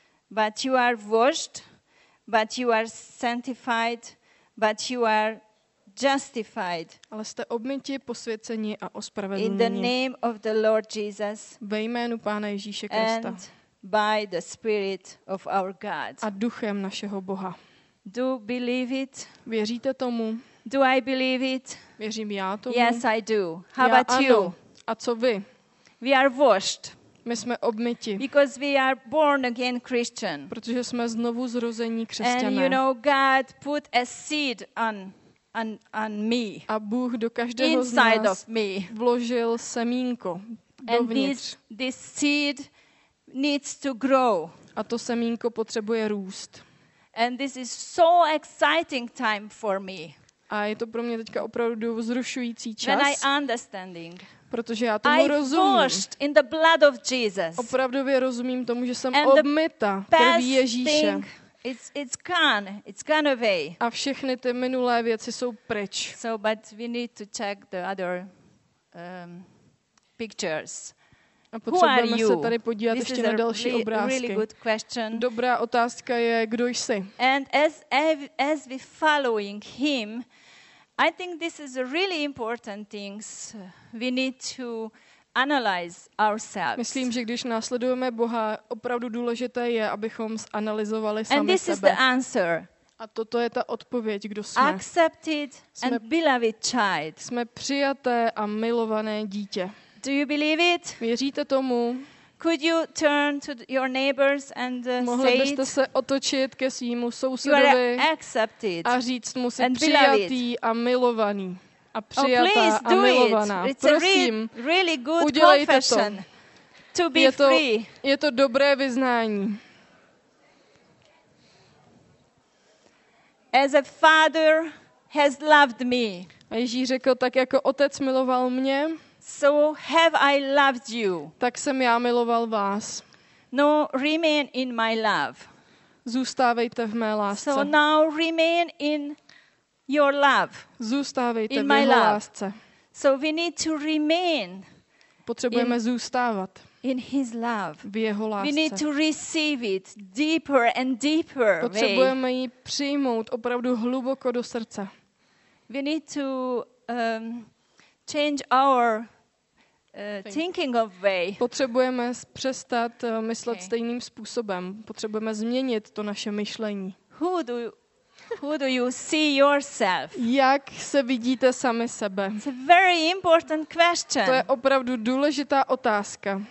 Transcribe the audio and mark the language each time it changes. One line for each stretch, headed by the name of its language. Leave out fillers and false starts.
English: But you are washed, but you are sanctified, but you are justified.
Czech: Ale jste obmyti, posvěceni a ospravedlněni.
English: In the name of the Lord Jesus.
Czech: Ve jménu Pána Ježíše Krista.
English: And by the Spirit of our God.
Czech: A duchem našeho Boha.
English: Do believe it?
Czech: Věříte tomu?
English: Do I believe it?
Czech: Věřím já tomu.
English: Yes, I do. How about you?
Czech: A co vy?
English: We are washed.
Czech: My jsme obmyti.
English: Because we are born again Christian.
Czech: Protože jsme znovu zrození křesťané.
English: And you know God put a seed on me.
Czech: A Bůh do každého
English: inside
Czech: z nás
English: of me.
Czech: Vložil semínko dovnitř.
English: And this seed needs to grow.
Czech: A to semínko potřebuje růst.
English: And this is so exciting time for me.
Czech: A je to pro mě teďka opravdu vzrušující čas.
English: When I understanding.
Czech: Protože já tomu rozumím.
English: In the blood of Jesus.
Czech: Opravdu rozumím tomu, že jsem obmyta krví Ježíše.
English: It's gone. It's gone away.
Czech: A všechny ty minulé věci jsou pryč.
English: So but we need to check the other pictures.
Czech: A potřebujeme se tady podívat
English: this
Czech: ještě na další obrázky.
English: Really good question.
Czech: Dobrá otázka je, kdo jsi?
English: And as we following him, I think this is a really important thing. We need to analyze ourselves.
Czech: Myslím, že když následujeme Boha, opravdu důležité je, abychom zanalizovali sami sebe.
English: And this
Czech: sebe.
English: Is the answer.
Czech: A toto je ta odpověď, kdo jsme.
English: Accepted and beloved child.
Czech: Jsme přijaté a milované dítě.
English: Do you believe it?
Czech: Věříte tomu?
English: Could you turn to your neighbors and say?
Czech: Mohli byste se otočit ke svému sousedovi a říct mu si přijatý a milovaný. A přijatá a milovaná. Prosím, udělejte to. Je to dobré vyznání.
English: As a father has loved me.
Czech: A Ježíš řekl, tak jako otec miloval mě,
English: so have I loved you.
Czech: Tak jsem já miloval vás.
English: No, remain in my love.
Czech: Zůstávejte v mé lásce.
English: So now remain in your love.
Czech: Zůstávejte
English: in
Czech: v
English: my
Czech: jeho
English: love.
Czech: Lásce.
English: So we need to remain.
Czech: Potřebujeme zůstávat.
English: In his love.
Czech: V jeho lásce.
English: We need to receive it deeper and deeper.
Czech: Potřebujeme ji přijmout opravdu hluboko do srdce.
English: We need to change our thinking of way.
Czech: Potřebujeme přestat myslet okay. stejným způsobem. Potřebujeme změnit to naše myšlení.
English: Who do you see yourself?
Czech: Jak se vidíte sami sebe?
English: It's a very important question.
Czech: To je opravdu důležitá otázka.